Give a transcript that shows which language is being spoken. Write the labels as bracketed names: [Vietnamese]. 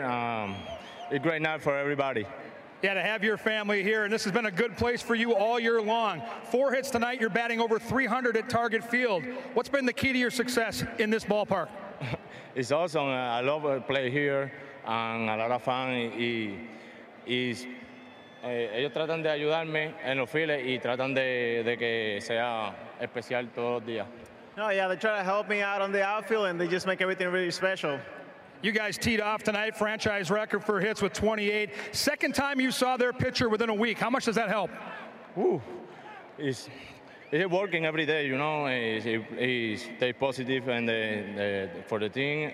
[English] It's a great night for everybody. Yeah, to have your family here, and this has been a good place for you all year long. Four hits tonight, you're batting over 300 at Target Field. What's been the key to your success in this ballpark? It's awesome. I love to play here, and a lot of fun. [Spanish] Ellos tratan de ayudarme en los files y tratan de que sea especial todos los días. [English] Oh, yeah, they try to help me out on the outfield, and they just make everything really special. You guys teed off tonight, franchise record for hits with 28. Second time you saw their pitcher within a week. How much does that help? Ooh, it's working every day, you know. It stay positive and for the team.